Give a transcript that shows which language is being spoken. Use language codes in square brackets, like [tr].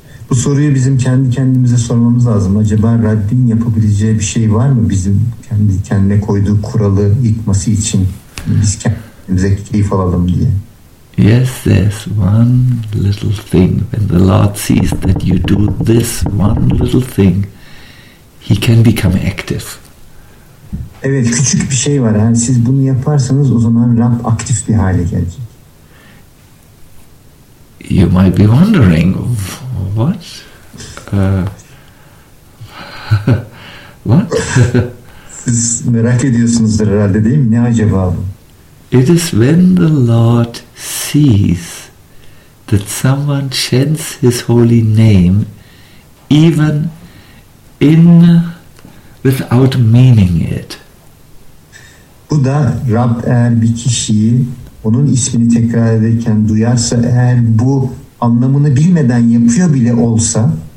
[tr] Bu soruyu bizim kendi kendimize sormamız lazım. Acaba Rabbin yapabileceği bir şey var mı bizim kendi kendine koyduğu kuralı yıkması için? Biz kendimize keyif alalım diye. [en] Yes, there's one little thing. When the Lord sees that you do this one little thing, he can become active. [tr] Evet, küçük bir şey var. Yani siz bunu yaparsanız o zaman Rab aktif bir hale gelecek. [en] You might be wondering, what? What? [tr] Siz merak ediyorsunuzdur herhalde, değil mi? Ne acaba bu? [en] It is when the Lord sees that someone chants his holy name even in without meaning it. [tr] Bu da Rab eğer bir kişiyi onun ismini tekrar ederken duyarsa, eğer bu anlamını bilmeden yapıyor bile olsa,